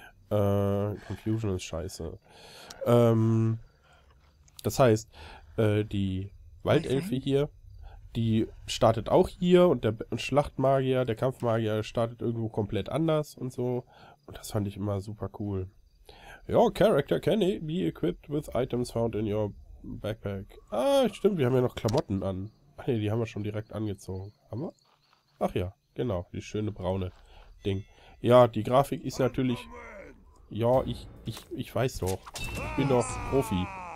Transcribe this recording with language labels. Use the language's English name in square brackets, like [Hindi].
[German] Confusion ist scheiße. Das heißt, die [English] My [German] Waldelfe [English] friend? [German] hier. Die startet auch hier und der Schlachtmagier, der Kampfmagier startet irgendwo komplett anders und so. Und das fand ich immer super cool. [English] Your character can be equipped with items found in your backpack. [German] Ah, stimmt, wir haben ja noch Klamotten an. Ach nee, die haben wir schon direkt angezogen. Haben wir? Ach ja, genau, die schöne braune Ding. Ja, die Grafik ist natürlich. Ja, ich weiß doch. Ich bin doch Profi.